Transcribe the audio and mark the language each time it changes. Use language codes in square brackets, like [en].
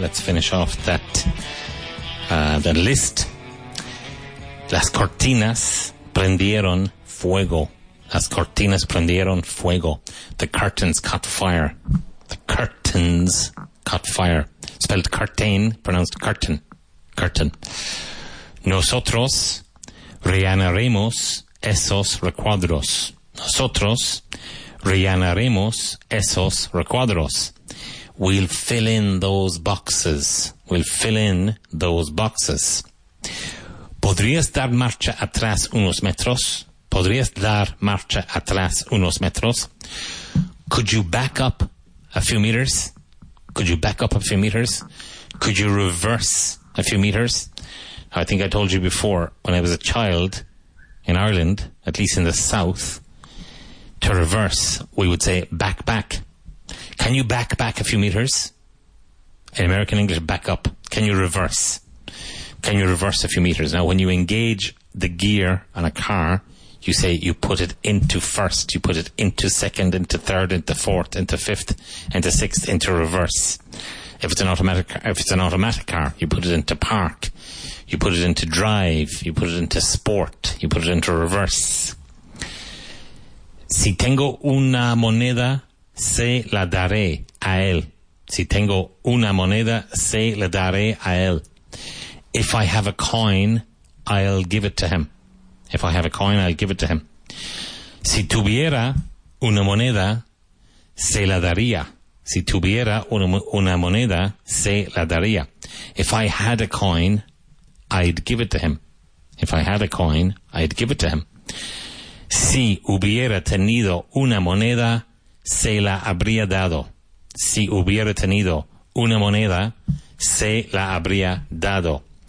[en] Let's finish off that that list. [es] Las cortinas prendieron fuego. Las cortinas prendieron fuego. [en] The curtains caught fire. The curtains caught fire. Spelled curtain, pronounced curtain. Curtain. [es] Nosotros rellenaremos esos recuadros. Nosotros rellenaremos esos recuadros. [en] We'll fill in those boxes. We'll fill in those boxes. [es] ¿Podrías dar marcha atrás unos metros? ¿Podrías dar marcha atrás unos metros? [en] Could you back up a few meters? Could you back up a few meters? Could you reverse a few meters? I think I told you before, when I was a child in Ireland, at least in the south, to reverse, we would say back, back. Can you back a few meters? In American English, back up. Can you reverse? Can you reverse a few meters? Now, when you engage the gear on a car, you say you put it into first, you put it into second, into third, into fourth, into fifth, into sixth, into reverse. If it's an automatic car, you put it into park, you put it into drive, you put it into sport, you put it into reverse. [es] Si tengo una moneda, se la daré a él. Si tengo una moneda, se la daré a él. [en] If I have a coin, I'll give it to him. If I have a coin, I'll give it to him. [es] Si tuviera una moneda, se la daría. Si tuviera una moneda, se la daría. [en] If I had a coin, I'd give it to him. If I had a coin, I'd give it to him. [es] Si hubiera tenido una moneda, se la habría dado. Si hubiera tenido una moneda, se la habría dado.